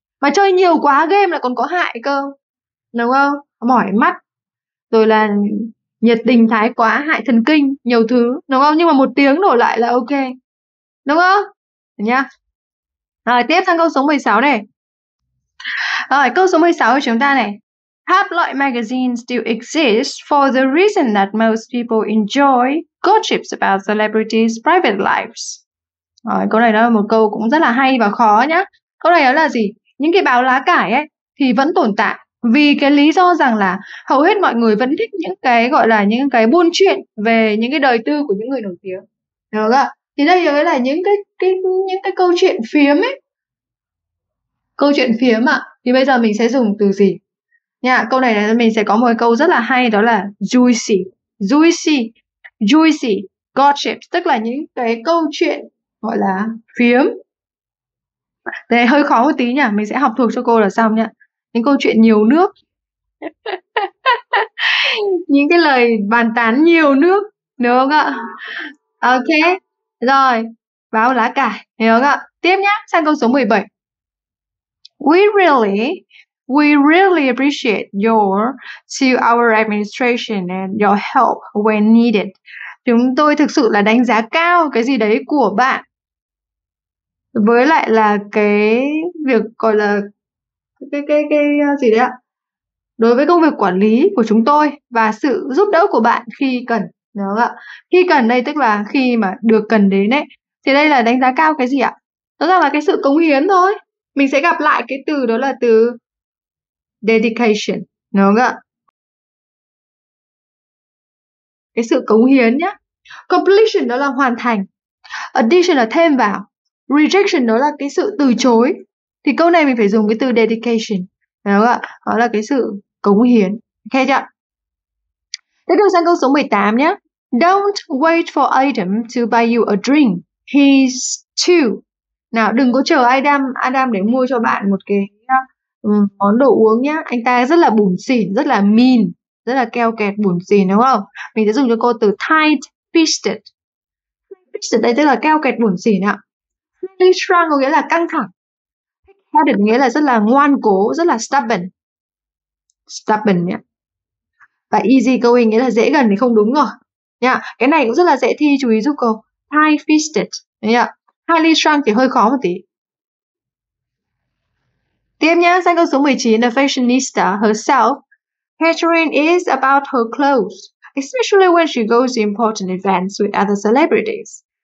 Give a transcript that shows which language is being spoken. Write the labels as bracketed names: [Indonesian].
[Vietnamese] Mà chơi nhiều quá game là còn có hại cơ, đúng không? Mỏi mắt, rồi là nhiệt tình thái quá hại thần kinh, nhiều thứ, đúng không? Nhưng mà 1 tiếng đổi lại là ok, đúng không? Nha. Rồi tiếp sang câu số 16 này. Rồi câu số 16 của chúng ta này. [English] Tabloid magazines still exist for the reason that most people enjoy gossips about celebrities' private lives. [Vietnamese] Rồi, câu này nó là một câu cũng rất là hay và khó nhá. Câu này đó là gì? Những cái báo lá cải ấy thì vẫn tồn tại vì cái lý do rằng là hầu hết mọi người vẫn thích những cái gọi là những cái buôn chuyện về những cái đời tư của những người nổi tiếng, đúng không? Thì đây mới là những cái câu chuyện phiếm ấy, câu chuyện phiếm ạ. Thì bây giờ mình sẽ dùng từ gì nha? Câu này là mình sẽ có một câu rất là hay, đó là [English] juicy, juicy, juicy gossip, [Vietnamese] tức là những cái câu chuyện gọi là phiếm. Đây hơi khó một tí nhỉ, mình sẽ học thuộc cho cô là xong nhá. Những câu chuyện nhiều nước. Những cái lời bàn tán nhiều nước, đúng không ạ? Ok. Rồi, báo lá cải, hiểu không ạ? Tiếp nhá, sang câu số 17. [English] We really appreciate your to our administration and your help when needed. [Vietnamese] Chúng tôi thực sự là đánh giá cao cái gì đấy của bạn. Với lại là cái việc gọi là cái gì đấy ạ? Đối với công việc quản lý của chúng tôi và sự giúp đỡ của bạn khi cần, đúng không ạ? Khi cần đây tức là khi mà được cần đến ấy, thì đây là đánh giá cao cái gì ạ? Rõ ràng là cái sự cống hiến thôi. Mình sẽ gặp lại cái từ đó là từ dedication, đúng không ạ? Cái sự cống hiến nhá. Completion đó là hoàn thành. Addition là thêm vào. Rejection đó là cái sự từ chối. Thì câu này mình phải dùng cái từ dedication, đúng không ạ? Đó là cái sự cống hiến. Ok chưa? Tiếp theo sang câu số 18 nhé. [English] Don't wait for Adam to buy you a drink. He's too. [Vietnamese] Nào, đừng có chờ Adam để mua cho bạn một cái món đồ uống nhé. Anh ta rất là bủn xỉn, rất là mean, rất là keo kẹt bủn xỉn, đúng không? Mình sẽ dùng cho cô từ tight fisted. Fisted đây tức là keo kẹt bủn xỉn ạ. Really strong có nghĩa là căng thẳng. Thick-headed nghĩa là rất là ngoan cố, rất là stubborn. Stubborn nhé. Và easy going nghĩa là dễ gần thì không đúng rồi. Cái này cũng rất là dễ thi, chú ý giúp cô. Tie fisted, Highly strong thì hơi khó một tí. Tiếp nhá, sang câu số 19, [English] the fashionista herself. Catherine is about her clothes, especially when she goes to important events with other celebrities.